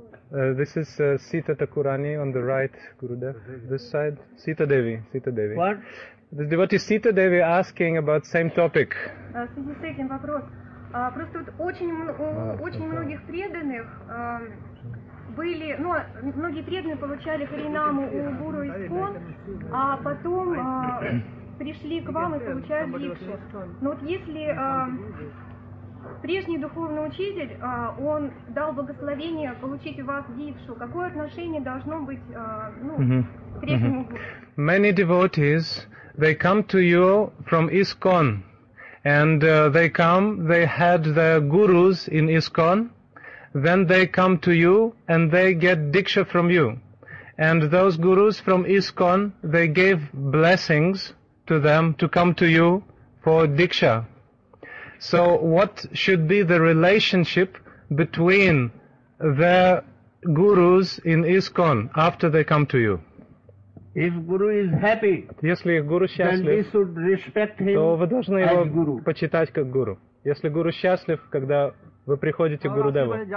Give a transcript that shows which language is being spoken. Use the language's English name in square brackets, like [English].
[English] This is Sita Thakurani on the right, Gurudev. This side, Sita Devi. Sita Devi. What? The devotee Sita Devi asking about same topic. [Russian] Вопрос. Просто вот очень многих преданных были, ну, многие преданные получали харинаму у гуру ИСККОН, а потом пришли к вам и получают дикшу. Но вот если прежний духовный учитель, он дал благословение получить у вас дикшу. Какое отношение должно быть, ну, к прежнему гуру? [English] Many devotees, they come to you from ISKCON. And they had their gurus in ISKCON. Then they come to you and they get diksha from you. And those gurus from ISKCON, they gave blessings to them to come to you for diksha. So what should be the relationship between the gurus in ISKCON after they come to you? If guru is happy, [Russian] если гуру счастлив, [English] then we should respect him, [Russian] то вы должны его почитать как гуру. Если гуру счастлив, когда вы приходите к Гурудеву.